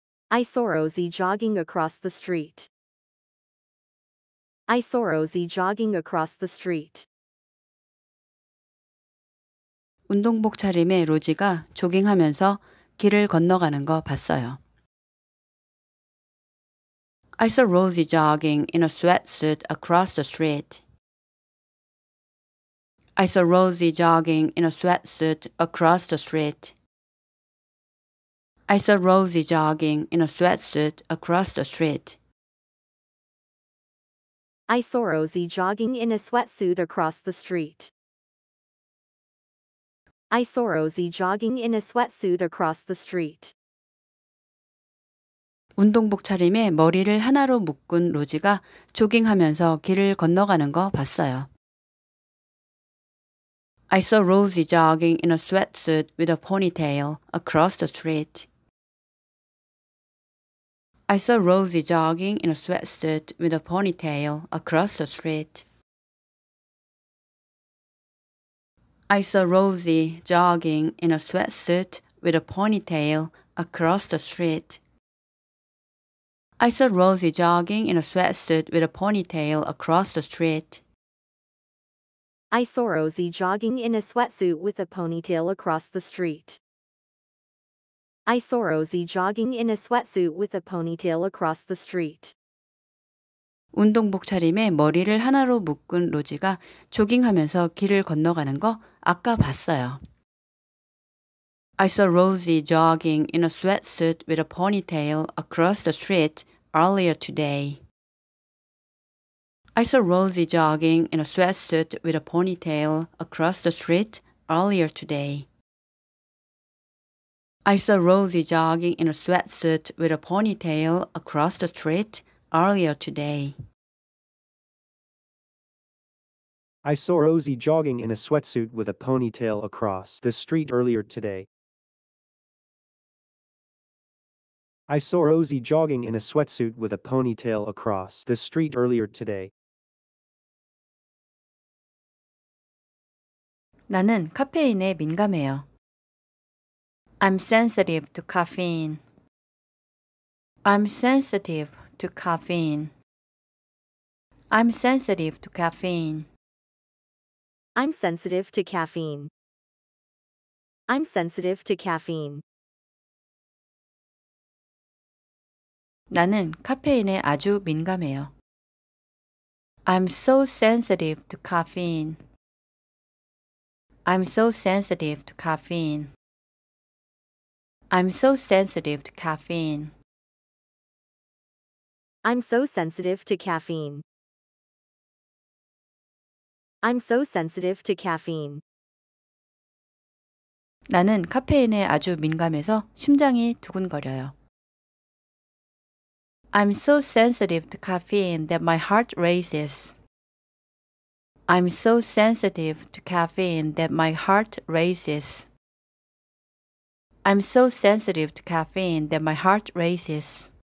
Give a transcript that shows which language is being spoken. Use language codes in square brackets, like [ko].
[en] I saw Rosy jogging across the street. I saw Rosy jogging across the street. [ko] 운동복 차림에 로지가 조깅하면서 길을 건너가는 거 봤어요. [en] I saw Rosy jogging in a sweatsuit across the street. I saw Rosy jogging in a sweatsuit across the street. I saw Rosy jogging in a sweatsuit across the street. I saw Rosy jogging in a sweatsuit across the street. I saw Rosy jogging in a sweatsuit across the street. [ko] 운동복 차림에 머리를 하나로 묶은 로지가 조깅하면서 길을 건너가는 거 봤어요. [en] I saw Rosy jogging in a sweatsuit with a ponytail across the street. I saw Rosy jogging in a sweatsuit with a ponytail across the street. I saw Rosy jogging in a sweatsuit with a ponytail across the street. I saw Rosy jogging in a sweatsuit with a ponytail across the street. I saw Rosy jogging in a sweatsuit with a ponytail across the street. I saw Rosy jogging in a sweatsuit with a ponytail across the street. [ko] 운동복 차림에 머리를 하나로 묶은 로지가 조깅하면서 길을 건너가는 거 아까 봤어요. [en] I saw Rosy jogging in a sweatsuit with a ponytail across the street earlier today. I saw Rosy jogging in a sweatsuit with a ponytail across the street earlier today. I saw Rosy jogging in a sweatsuit with a ponytail across the street earlier today. I saw Rosy jogging in a sweatsuit with a ponytail across the street earlier today. I saw Rosy jogging in a sweatsuit with a ponytail across the street earlier today. [ko] 나는 카페인에 민감해요. [en] I'm sensitive to caffeine. I'm sensitive to caffeine. I'm sensitive to caffeine. I'm sensitive to caffeine. I'm sensitive to caffeine. [ko] 나는 카페인에 아주 민감해요. [en] I'm so sensitive to caffeine. I'm so sensitive to caffeine. I'm so sensitive to caffeine. I'm so sensitive to caffeine. I'm so sensitive to caffeine. [ko] 나는 카페인에 아주 민감해서 심장이 두근거려요. [en] I'm so sensitive to caffeine that my heart races. I'm so sensitive to caffeine that my heart races. I'm so sensitive to caffeine that my heart races.